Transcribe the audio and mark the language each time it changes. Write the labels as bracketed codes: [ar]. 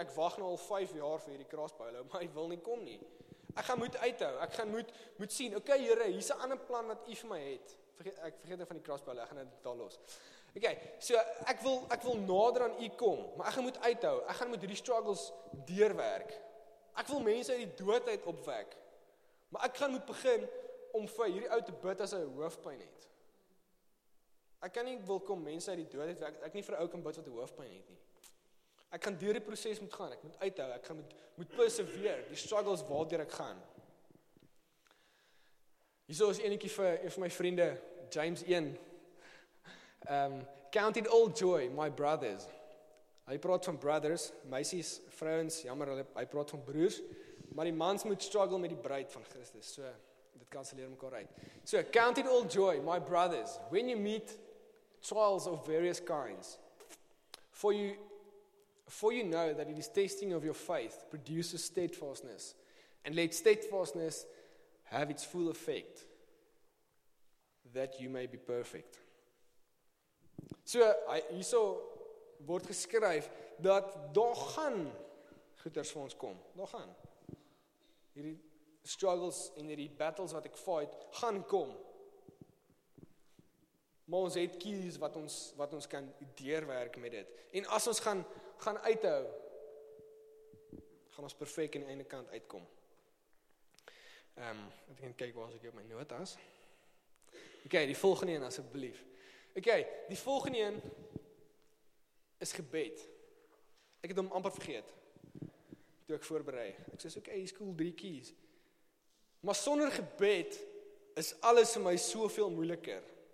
[af] Ek wag nou al 5 jaar vir hierdie crossbow, maar hy wil nie kom nie. Ek gaan moet uithou. Ek gaan moet sien. Okay, Here, hier's 'n ander plan wat U vir my het. Ek vergeet nou van die crossbow. Ek gaan dit daar los. Okay, so ek wil nader aan U kom, maar ek gaan moet uithou. Ek gaan moet hierdie struggles deurwerk. Ek wil mense uit die dood uit opwek. Maar ek gaan moet begin om vir hierdie ou te bid as hy hoofpyn het. Ek kan nie wil kom mense uit die dood uit wek. Ek nie vir ou kan bid wat hoofpyn het nie. Ek gaan deur die proses moet gaan, ek moet uithou, ek gaan moet persevere, die struggles waardeur ek gaan. Hierso is enetjie vir my vriende, James 1. [en] Count it all joy, my brothers. [af] Hy praat van brothers, meisies, vrouens, jammer, hy praat van broers, maar die mans moet struggle met die bruid van Christus, so, dit kanseleer mekaar uit. [en] So, count it all joy, my brothers, when you meet trials of various kinds, for you know that it is testing of your faith produces steadfastness, and let steadfastness have its full effect, that you may be perfect. [af] So, hierso word geskryf, dat daar gaan goeders vir ons kom. Daar gaan. Hierdie struggles en hierdie battles wat ek fight, gaan kom. Maar ons het keys wat ons kan deurwerk met dit. En as ons gaan uithou, gaan ons perfect in die ene kant uitkom. Ek gaan kyk waar ek op my notas. Okay, die volgende een asseblief. Okay, die volgende een is gebed. Ek het hom amper vergeet, toe ek voorberei. Ek sê, okay, hier is cool, 3 keys. Maar sonder gebed is alles vir my soveel moeiliker.